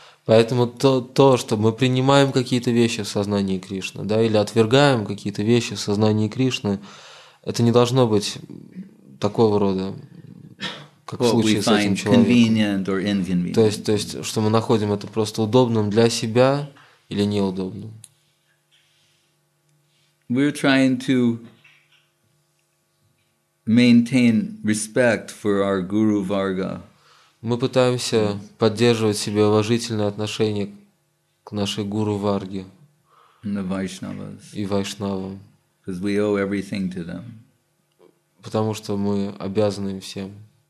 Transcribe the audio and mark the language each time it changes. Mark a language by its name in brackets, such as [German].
[Russian] Поэтому то, что мы принимаем какие-то вещи в сознании Кришны, да, или отвергаем какие-то вещи в сознании Кришны. Это не должно быть такого рода, как в случае с этим человеком. То есть, что мы находим это просто удобным для себя или неудобным. [English] We're trying to maintain respect for our guru Varga. [Russian] Мы пытаемся поддерживать себе уважительное отношение к нашей гуру Варге и вайшнавам. [English] Because we owe everything to them. [Russian] Потому что мы обязаны им всем.